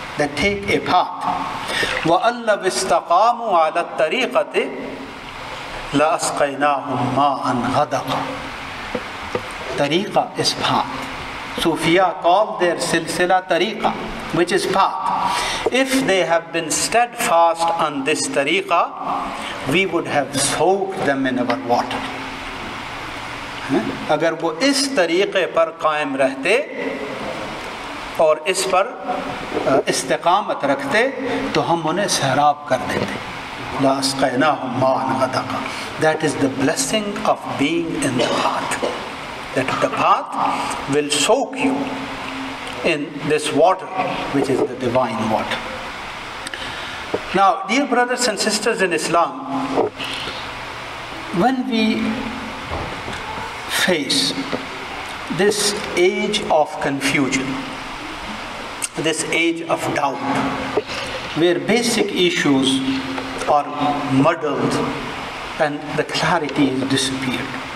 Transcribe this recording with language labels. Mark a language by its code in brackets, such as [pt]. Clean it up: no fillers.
[en] Then take a path. [ar] وَأَلَّا بِاسْتَقَامُوا عَلَى الطَّرِيقَةِ لَأَسْقَيْنَاهُمْ مَاءً غَدَقًا. [en] Tariqa is path. Sufiya call their silsila tariqa, which is path. If they have been steadfast on this tariqa, we would have soaked them in our water. [ur] اگر وہ اس طریقے پر قائم رہتے اور اس پر استقامت رکھتے تو ہم انہیں سحراب کر دیتے. [ar] لَأَسْقَيْنَاهُمْ مَاءً غَدَقًا. [en] That is the blessing of being in the path. That the path will soak you in this water, which is the divine water. Now, dear brothers and sisters in Islam, when we face this age of confusion, this age of doubt, where basic issues are muddled and the clarity has disappeared.